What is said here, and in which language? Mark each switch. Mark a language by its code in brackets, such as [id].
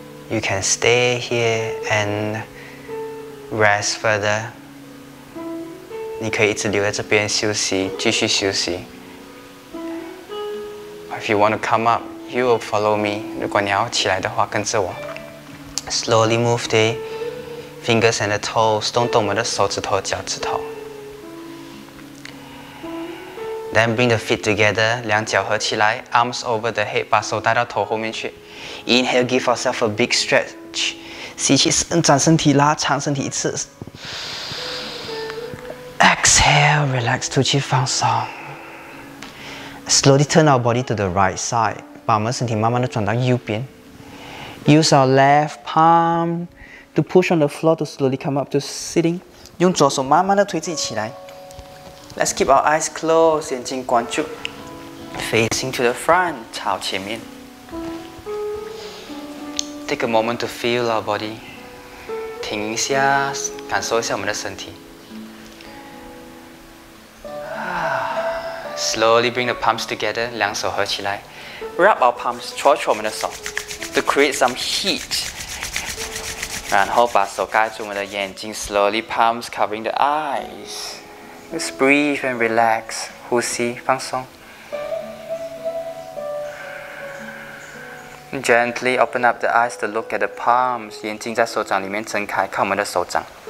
[en] You can stay here and rest further. [zh] 你可以一直留在这边休息，继续休息. [en] If you want to come up, you will follow me. [zh] 如果你要起来的话，跟着我. [en] Slowly move the fingers and the toes. [zh] 动动我们的手指头、脚趾头. [en] Then bring the feet together, [zh] 两脚合起来, [en] arms over the head, [zh] 把手带到头后面去. [en] Inhale, give yourself a big stretch. [zh] 吸气伸展身体，拉长身体一次. [en] Exhale, relax, [zh] 吐气放松. [en] Slowly turn our body to the right side, [zh] 把我们身体慢慢地转到右边. [en] Use our left palm to push on the floor to slowly come up to sitting. [zh] 用左手慢慢地推自己起来. [en] Let's keep our eyes closed, [zh] 眼睛关注, [en] facing to the front, [zh] 朝前面. [en] Take a moment to feel our body. [zh] 停一下, 感受一下我们的身体. [en] Slowly bring the palms together, [zh] 两手合起来. [en] Wrap our palms, [zh] 戳戳我们的手, [en] to create some heat. [zh] 然后把手盖住我们的眼睛, [en] slowly palms covering the eyes. Just breathe and relax. [zh] 呼吸, 放松. [en] Gently open up the eyes to look at the palms. [zh] 眼睛在手掌里面睁开, 看我们的手掌.